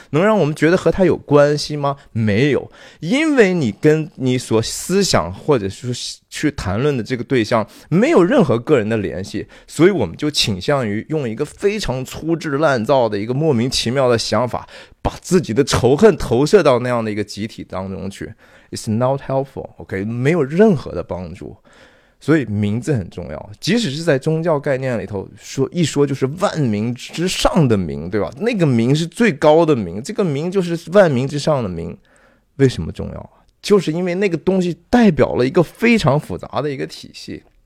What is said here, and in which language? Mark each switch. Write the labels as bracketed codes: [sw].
[zh] 能让我们觉得和他有关系吗？没有。因为你跟你所思想或者是去谈论的这个对象没有任何个人的联系，所以我们就倾向于用一个非常粗制滥造的一个莫名其妙的想法，把自己的仇恨投射到那样的一个集体当中去。 [en] It's not helpful, OK, [zh] 没有任何的帮助。所以名字很重要，即使是在宗教概念里头，说一说就是万名之上的名，对吧？那个名是最高的名，这个名就是万名之上的名。为什么重要？就是因为那个东西代表了一个非常复杂的一个体系。